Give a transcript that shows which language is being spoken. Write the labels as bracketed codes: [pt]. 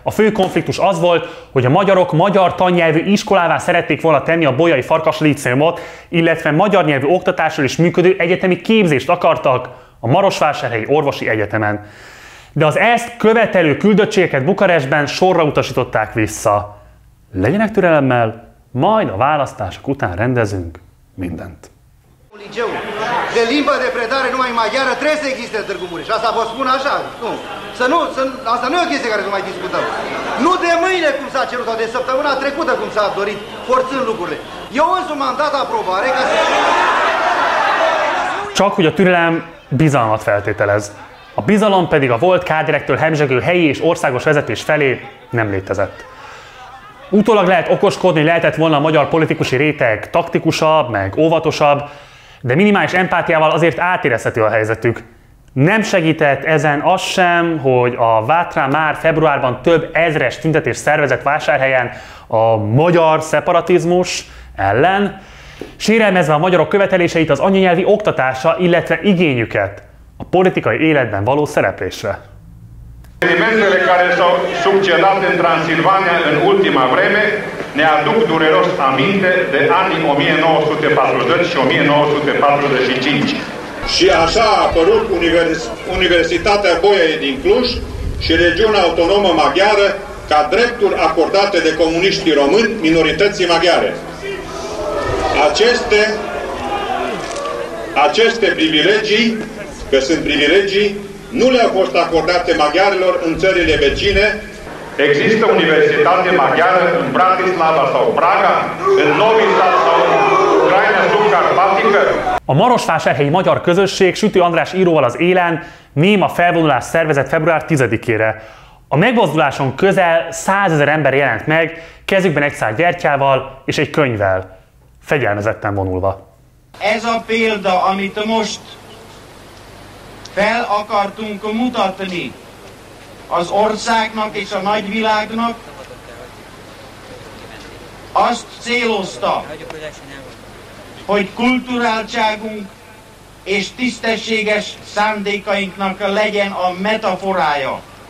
[hu] A fő konfliktus az volt, hogy a magyarok magyar tannyelvű iskolává szerették volna tenni a Bolyai Farkas Líceumot, illetve magyar nyelvű oktatásról is működő egyetemi képzést akartak a Marosvásárhelyi Orvosi Egyetemen. De az ezt követelő küldöttségeket Bukarestben sorra utasították vissza. Legyenek türelemmel, majd a választások után rendezünk mindent. [ro] Liceu. De limba de predare numai maghiară trebuie să existe, Târgu Mureș. Asta vă spun așa. Nu. Asta nu e o chestie care să mai discutăm. Nu de mâine, cum s-a cerut, sau de săptămâna trecută, cum s-a dorit, forțând lucrurile. Eu însumi am dat aprobare ca să... [hu] Csak hogy a türelem bizalmat feltételez. A bizalom pedig a volt kádirektől hemzsegő helyi és országos vezetés felé nem létezett. Utólag lehet okoskodni, lehetett volna a magyar politikusi réteg taktikusabb, meg óvatosabb, de minimális empátiával azért átérezhető a helyzetük. Nem segített ezen az sem, hogy a Vátra már februárban több ezres tüntetést szervezett Vásárhelyen a magyar szeparatizmus ellen, sérelmezve a magyarok követeléseit, az anyanyelvi oktatása, illetve igényüket a politikai életben való szereplésre. [ro] Evenimentele care s-au succedat în Transilvania în ultima vreme ne aduc dureros aminte de anii 1940 și 1945. Și așa a apărut Universitatea Boiei din Cluj și Regiunea Autonomă Maghiară ca drepturi acordate de comuniștii români minorității maghiare. Aceste privilegii, că sunt privilegii, nu le-au fost acordate maghiarilor în țările vecine. Există universitate maghiară în Bratislava sau Praga, în Novi Sad sau Ucraina subcarpatică? [hu] A Marosvásárhelyi Magyar Közösség Sütő András íróval az élen néma felvonulást szervezett február 10-ére. A megmozduláson közel 100 000 ember jelent meg, kezükben egy szál gyertyával és egy könyvvel, fegyelmezetten vonulva. Ez a példa, amit most fel akartunk mutatni az országnak és a nagyvilágnak, azt célozta, hogy kulturáltságunk és tisztességes szándékainknak legyen a metaforája.